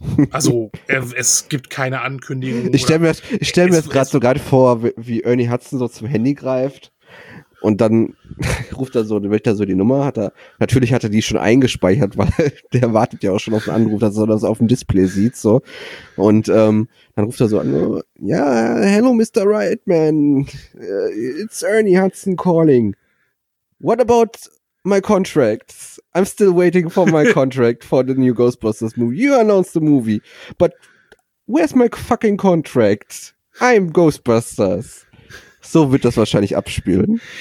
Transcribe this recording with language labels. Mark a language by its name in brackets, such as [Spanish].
[German] Also, es gibt keine Ankündigung. Ich stell mir gerade vor, wie Ernie Hudson so zum Handy greift und dann ruft er so, möchte er so die Nummer, hat er die schon eingespeichert, weil der wartet ja auch schon auf den Anruf, dass er das auf dem Display sieht, so. Und dann ruft er so an, ja, [English] hello Mr. Reitman, it's Ernie Hudson calling. What about my contract? I'm still waiting for my contract for the new Ghostbusters movie. You announced the movie, but where's my fucking contract? I'm Ghostbusters. [German] So wird das wahrscheinlich abspielen.